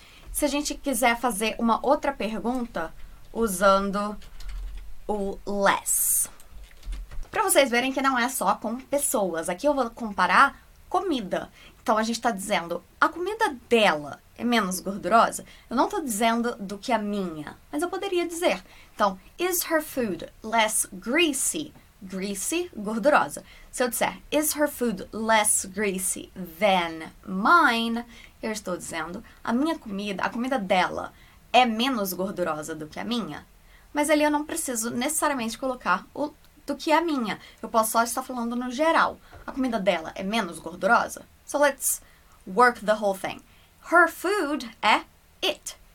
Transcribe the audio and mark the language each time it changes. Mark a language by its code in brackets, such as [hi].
[pt] Se a gente quiser fazer uma outra pergunta usando o less, para vocês verem que não é só com pessoas. Aqui eu vou comparar comida. Então, a gente está dizendo, a comida dela é menos gordurosa? Eu não estou dizendo do que a minha, mas eu poderia dizer. [en] Então, is her food less greasy? Greasy, gordurosa. [pt] Se eu disser, [en] is her food less greasy than mine? [pt] Eu estou dizendo, a comida dela é menos gordurosa do que a minha? Mas ali eu não preciso necessariamente colocar o do que a minha. Eu posso só estar falando no geral. A comida dela é menos gordurosa? [en] So let's work the whole thing. Her food é it.